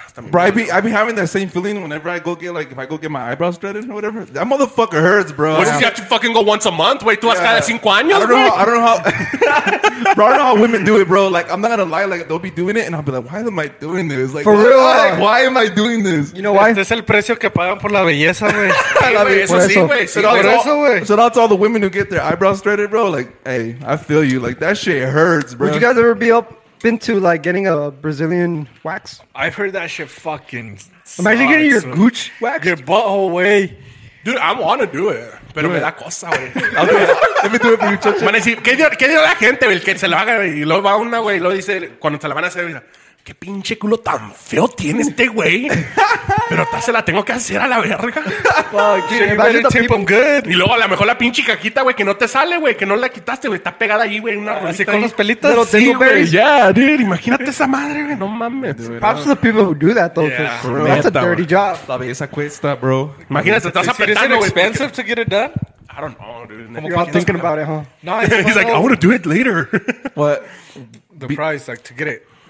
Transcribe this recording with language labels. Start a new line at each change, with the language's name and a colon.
English: Bro, I be having that same feeling whenever I go get, like, if I go get my eyebrows threaded or whatever. That motherfucker hurts, bro. What, if you have to fucking go once a month?
Spanish: Wait, tú has cada cinco años,
English: bro? I don't know how... Bro, I don't know how women do it, bro. Like, I'm not gonna lie. Like, they'll be doing it, and I'll be like, why am I doing this? Like, for real? Like, why am I doing this? You know why?
Spanish: Es el precio que pagan por la belleza, güey. La belleza, por eso, güey.
English: Shout out to all the women who get their eyebrows threaded, bro. Like, hey, I feel you. Like, that shit hurts, bro. Would you guys ever be up... been to like getting a Brazilian wax? I've heard that shit fucking imagine sucks. Getting your gooch waxed, your butthole way, dude. I want to do it,
Spanish: pero me da cosa, güey.
English: Let me do it for you, chacho.
Spanish: Van a decir, ¿qué dirá la gente, el que se lo haga? Y luego va una, güey, lo dice cuando se la van a hacer, mira, qué pinche culo tan feo tiene este güey, pero se la tengo que hacer a la verga.
English: Well, dude, tip I'm good.
Spanish: Y luego a lo mejor la pinche caquita, güey, que no te sale, güey, que no la quitaste, güey, está pegada ahí, güey, una rosita con los pelitos. Sí, güey, ya, dude, imagínate esa madre, güey, no mames.
English: Props to the people who do that, though. Yeah, bro, that's neta, a dirty job.
Spanish: La belleza cuesta, bro. Imagínate, estás apretando,
English: güey. Is it expensive to get it done? I don't know, dude. You're all thinking about it, huh? No, he's like, I want to do it later. What? The price, like, to get it.